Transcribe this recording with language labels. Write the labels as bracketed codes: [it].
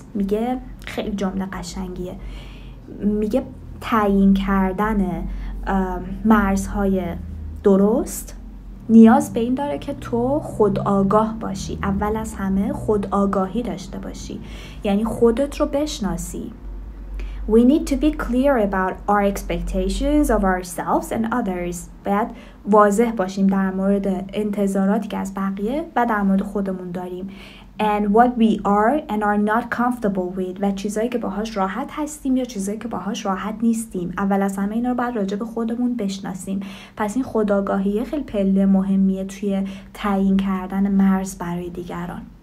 [fa] میگه خیلی جمله قشنگیه، میگه تعیین کردن مرزهای درست نیاز به این داره که تو خود آگاه باشی، اول از همه خود آگاهی داشته باشی، یعنی خودت رو بشناسی. [en] We need to be clear about our expectations of ourselves and others. [fa] باید واضح باشیم در مورد انتظاراتی که از بقیه و در مورد خودمون داریم. [en] And what we are and are not comfortable with. [fa] و چیزایی که باهاش راحت هستیم یا چیزایی که باهاش راحت نیستیم. اول از همه اینا رو باید راجع به خودمون بشناسیم. پس این خودآگاهی خیلی پله مهمیه توی تعیین کردن مرز برای دیگران.